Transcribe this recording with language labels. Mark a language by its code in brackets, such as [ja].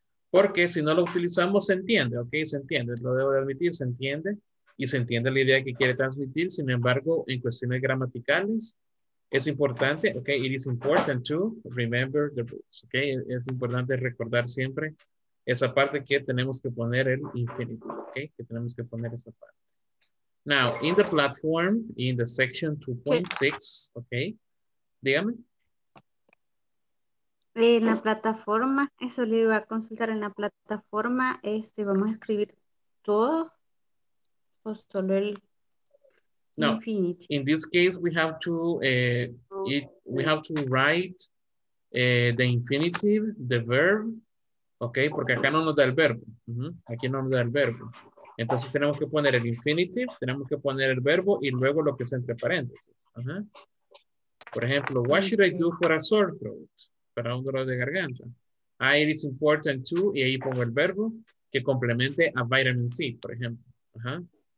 [es] Porque si no lo utilizamos, se entiende, ¿ok? Se entiende, lo debo de admitir, se entiende. Y se entiende la idea que quiere transmitir. Sin embargo, en cuestiones gramaticales, es importante, okay, [en] it is important to remember the rules, [es] okay? Es importante recordar siempre esa parte que tenemos que poner el infinitive, okay? Que tenemos que poner esa parte. [en] Now, in the platform, in the section 2.6, okay? [es] Dígame. En la plataforma, eso le iba a consultar, en la plataforma, vamos a escribir todo o solo el... No, infinitive. [en] In this case, we have to write the infinitive, the verb, okay? [es] Porque acá no nos da el verbo. Uh-huh. Aquí no nos da el verbo. Entonces tenemos que poner el infinitive, tenemos que poner el verbo y luego lo que es entre paréntesis. Uh-huh. Por ejemplo, [en] what should I do for a sore throat? [es] Para un dolor de garganta. Ah, [en] it is important to, [es] y ahí pongo el verbo, que complemente a vitamin C, por ejemplo. Ajá. Uh-huh.